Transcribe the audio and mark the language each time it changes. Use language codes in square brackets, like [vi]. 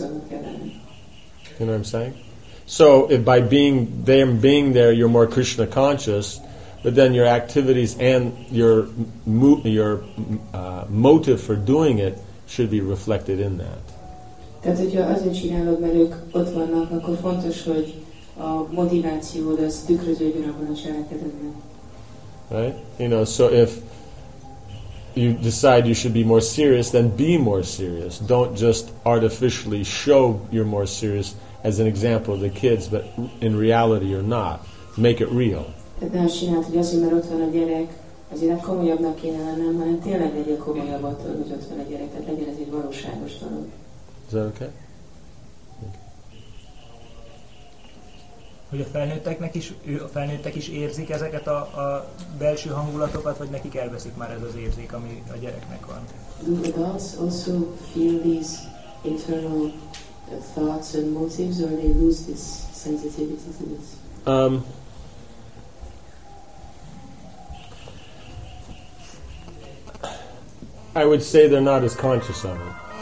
[en] You know what I'm saying? So if by being them being there you're more Krishna conscious, but then your activities and your motive for doing it should be reflected in that. [hu] Tehát, hogyha azért csinálod, mert ők ott vannak, akkor fontos, hogy a motivációd az tükröződjön abban a cselekedetben. [en] Right? You know, so if you decide you should be more serious, then be more serious. Don't just artificially show you're more serious as an example of the kids, but in reality you're not. Make it real. [hu] Tehát ne azt csinált, hogy azért, mert ott van a gyerek, azért komolyabbnak kéne lennem, hanem tényleg legyen komolyabb attól, hogy ott van a gyerek. Tehát legyen ez egy valóságos dolog. [en] Is that okay? [hu] Hogy a felnőttek is érzik ezeket a belső hangulatokat, vagy nekik elveszik már ez az érzék, ami a gyereknek van? [en] Do adults also feel these internal thoughts and motives, or they lose this sensitivity to this? I would say they're not as conscious of it.